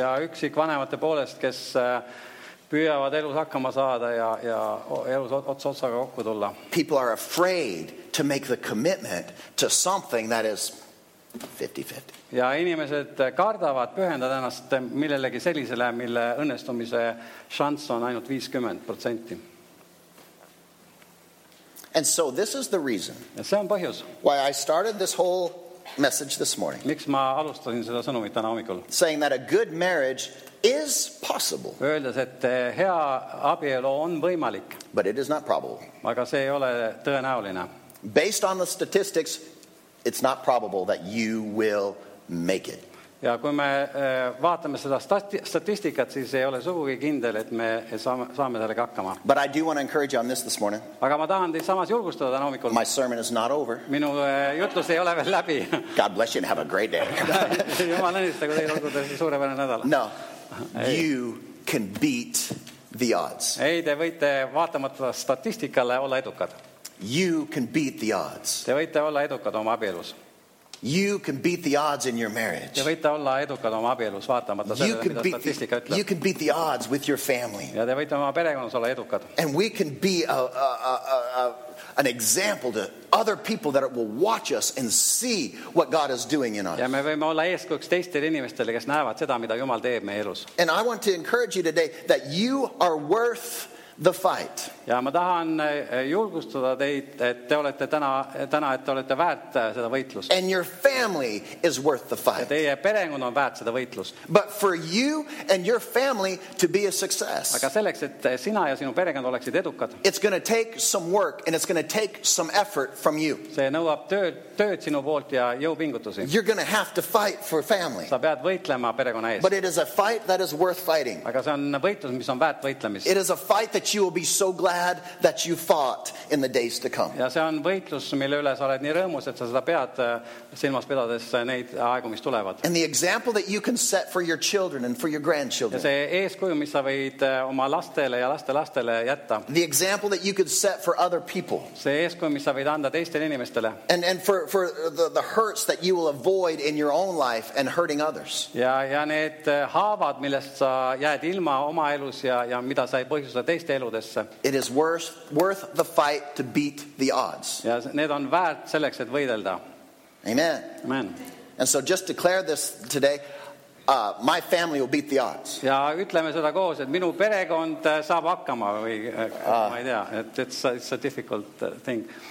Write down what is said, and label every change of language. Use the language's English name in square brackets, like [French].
[Estonian] Ja üksik vanemate poolest, kes püüavad elus hakkama saada ja elus otsaga kokku tulla. [English] People are afraid to make the commitment to something that is 50-50. [Estonian] Ja inimesed kardavad pühendada ennast millelegi sellisele, mille õnnestumise šans on ainult 50%. [English] And so this is the reason. [Estonian] Ja see on põhjus. [English] Why I started this whole message this morning. [Estonian] Miks ma alustasin seda sõnumit täna hommikul? [English] Saying that a good marriage is possible. [Estonian] Öeldes, et hea abielu on võimalik. [English] But it is not probable. [Estonian] Aga see ei ole tõenäoline. [English] Based on the statistics, it's not probable that you will make it. [Estonian] Ja kui me vaatame seda statistikat, siis ei ole sugugi kindel, et me saame sellega hakkama. [English] But I do want to encourage you on this morning. [Estonian] Aga ma tahan teid samas julgustada täna hommikul. [English] My sermon is not over. [Estonian] Minu jutlus ei ole veel läbi. [English] God bless you and have a great day. [Estonian] Jumal õnnistagu teid olgude suurepärane nädala. [English] No, you can beat the odds. [Estonian] Ei, te võite vaatamata statistikale olla edukad. [English] You can beat the odds. [Estonian] Te võite olla edukad oma abielus. [English] You can beat the odds in your marriage. [Estonian] Te võite olla edukad oma abielus vaatamata sellele, mida statistika ütleb. [English] You can beat the odds with your family. [Estonian] Ja te võite oma perekonnas olla edukad. [English] And we can be an example to other people that will watch us and see what God is doing in us. [Estonian] Ja me võime olla eeskujuks teistele inimestele, kes näevad seda, mida Jumal teeb meie elus. [English] And I want to encourage you today that you are worth the fight. [Estonian] Ja ma tahan julgustada teid, et te olete täna, et te olete väärt seda võitlust. [English] And your family is worth the fight. [Estonian] Ja teie perekond on väärt seda võitlust. [English] But for you and your family to be a success. [Estonian] Aga selleks, et sina ja sinu perekond oleksid edukad. [English] It's going to take some work and it's going to take some effort from you. [Estonian] See nõuab tööd sinu poolt ja jõupingutusi. [English] You're going to have to fight for family. [Estonian] Sa pead võitlema perekonna eest. [English] But it is a fight that is worth fighting. [Estonian] Aga see on võitlus, mis on väärt võitlemist. [English] It is a fight that you will be so glad that you fought in the days to come. [Estonian] Ja see on võitlus, mille üle sa oled nii rõõmus, et sa seda pead silmas pidades neid aegu, mis tulevad. [English] And the example that you can set for your children and for your grandchildren. [Estonian] Ja see eeskuju, mis sa võid oma lastele ja lastele jätta. [English] The example that you could set for other people. [Estonian] See eeskuju, mis sa võid anda teistele inimestele. [English] And for the hurts that you will avoid in your own life and hurting others. [Estonian] Ja need haavad, millest sa jääd ilma oma elus ja mida sa ei põhjusta teist. [English] It is worth the fight to beat the odds. [Estonian] Ja need on väärt selleks, et võidelda. [English] Amen. [Estonian] Amen. [English] And so just declare this today, my family will beat the odds. [Estonian] Ja ütleme seda koos, et minu perekond saab hakkama või ma ei tea, et [English] it's a difficult thing.